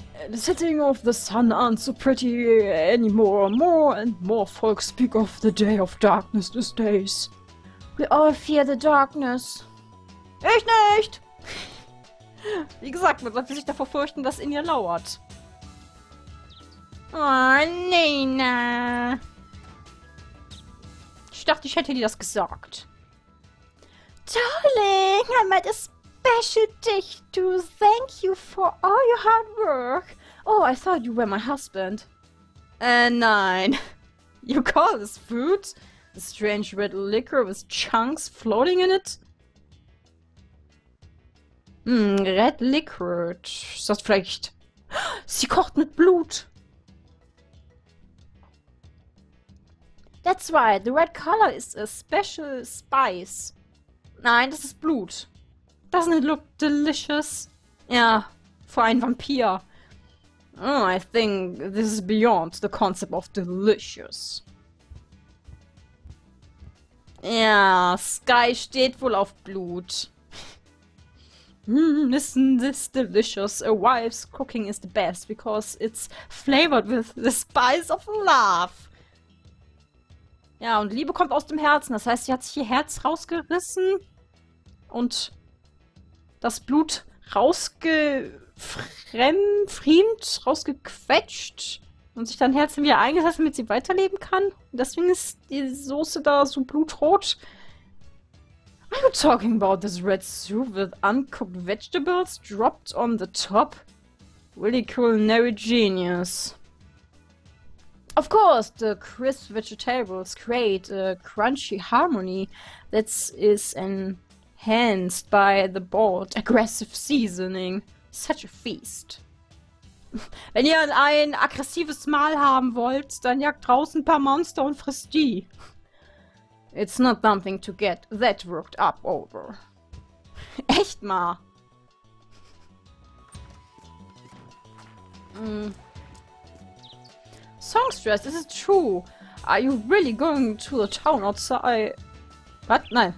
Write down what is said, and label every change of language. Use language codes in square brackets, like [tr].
[en] The setting of the sun aren't so pretty anymore. More and more folk speak of the day of darkness these days. We all fear the darkness. [de] Ich nicht! Wie gesagt, man sollte sich davor fürchten, dass in ihr lauert. Oh, Nina. Ich dachte, ich hätte dir das gesagt. [en] Darling, I made a special dish to thank you for all your hard work. Oh, I thought you were my husband. [de] Nein. [en] You call this food? A strange red liquor with chunks floating in it? Red liquor. [de] Ist das vielleicht... Sie kocht mit Blut. [en] That's right. The red color is a special spice. [de] Nein, das ist Blut. [en] Doesn't it look delicious? [de] Ja, für einen Vampir. [en] Oh, I think this is beyond the concept of delicious. [de] Ja, Sky steht wohl auf Blut. [en] Listen, this delicious. A wife's cooking is the best because it's flavored with the spice of love. [de] Ja, und Liebe kommt aus dem Herzen. Das heißt, sie hat sich ihr Herz rausgerissen und das Blut rausgequetscht und sich dann Herzen wieder eingesetzt, damit sie weiterleben kann. Und deswegen ist die Soße da so blutrot. [en] Are you talking about this red soup with uncooked vegetables dropped on the top? Really culinary genius. Of course, the crisp vegetables create a crunchy harmony that is enhanced by the bold, aggressive seasoning. Such a feast. [de] Wenn ihr ein aggressives Mahl haben wollt, dann jagt draußen ein paar Monster und frisst die. [en] It's not something to get that worked up over. [de] Echt mal. [en] Songstress, is it true? Are you really going to the town outside? What? [de] Nein.